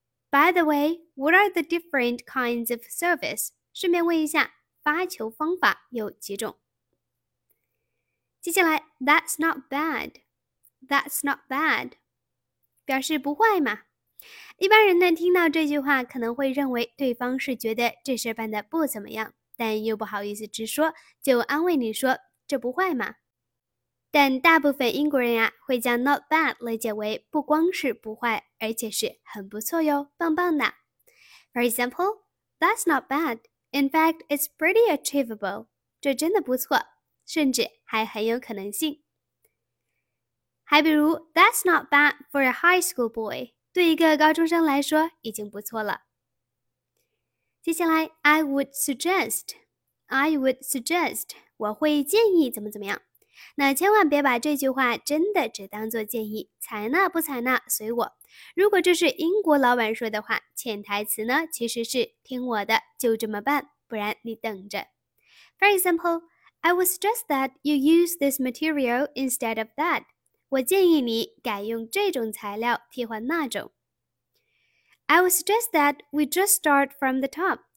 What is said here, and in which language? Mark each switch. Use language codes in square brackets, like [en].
[en] By the way, what are the different kinds of service? [zh] 顺便问一下，发球方法有几种？接下来 [en] ,That's not bad. That's not bad. [zh] 表示不坏嘛。一般人呢听到这句话可能会认为对方是觉得这事办得不怎么样，但又不好意思直说，就安慰你说这不坏嘛。但大部分英国人啊会将 not bad 理解为不光是不坏，而且是很不错哟，棒棒的。 [en] For example, that's not bad. In fact, it's pretty achievable. [zh] 这真的不错，甚至还很有可能性。还比如 [en] that's not bad for a high school boy. [zh] 对一个高中生来说已经不错了。接下来 [en] I would suggest, [zh] 我会建议怎么怎么样。那千万别把这句话真的只当作建议，采纳不采纳随我。如果这是英国老板说的话，潜台词呢其实是听我的，就这么办，不然你等着。 [en] For example, I would suggest that you use this material instead of that. [zh] 我建议你改用这种材料替换那种。 [en] I would suggest that we just start from the top.